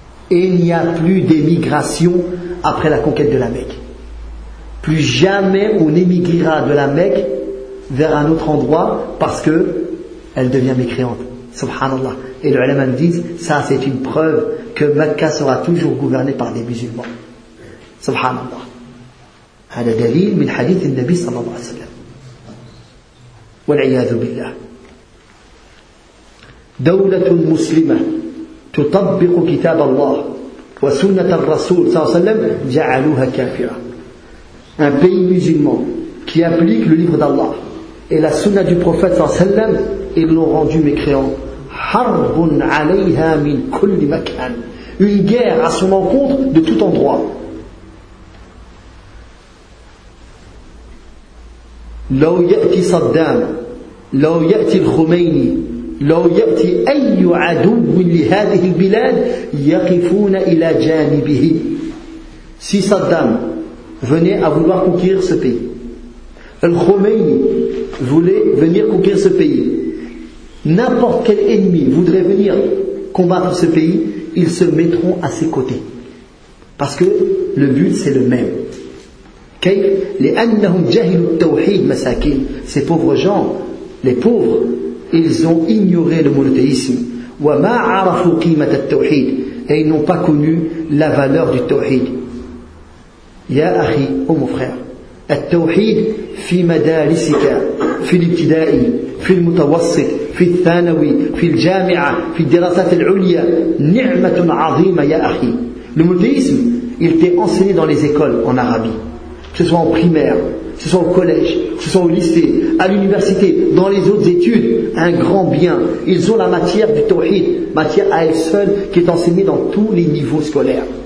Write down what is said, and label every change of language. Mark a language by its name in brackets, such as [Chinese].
[French] Il n'y a plus d'émigration après la conquête de la Mecque. Plus jamais on émigrera de la Mecque vers un autre endroit parce que elle devient mécréante. Subhanallah. Et les ulama disent, ça c'est une preuve que Mecca sera toujours gouvernée par des musulmans. [Arabic] Subhanallah. هذا دليل من حديث النبي صلى الله عليه وسلم والعياذ بالله دولة مسلمة تطبق كتاب الله وسنة الرسول صلى الله عليه وسلم جعلوها كافرة. [French] Un pays musulman qui applique le livre d'Allah et la sunna du prophète [Arabic] صلى الله عليه وسلم, [French] ils l'ont rendu mécréant. [Arabic] حرب عليها من كل مكان. [French] Une guerre à son encontre de tout endroit. [Arabic] لو يأتي صدام لو يأتي الخميني لو يأتي أي عدو لهذه البلاد يقفون إلى جانبه. [French] Si Saddam venait à vouloir conquérir ce pays, الخميني voulait venir conquérir ce pays, n'importe quel ennemi voudrait venir combattre ce pays, ils se mettront à ses côtés parce que le but c'est le même. [Arabic] كيف؟ لأنهم جهلوا التوحيد مساكين. [French] Ces pauvres gens, les pauvres, ils ont ignoré le monothéisme. [Arabic] وما عرفوا قيمة التوحيد. [French] Et ils n'ont pas connu la valeur du توحيد. [Arabic] يا أخي, [French] oh mon frère, [Arabic] التوحيد في مدارسك, في الابتدائي, في المتوسط, في الثانوي, في الجامعة, في الدراسات العليا, نعمة عظيمة يا أخي. [French] Le monothéisme, il t'est enseigné dans les écoles en Arabie. Que ce soit en primaire, que ce soit au collège, que ce soit au lycée, à l'université, dans les autres études, un grand bien. Ils ont la matière du tawhid, matière à elle seule, qui est enseignée dans tous les niveaux scolaires.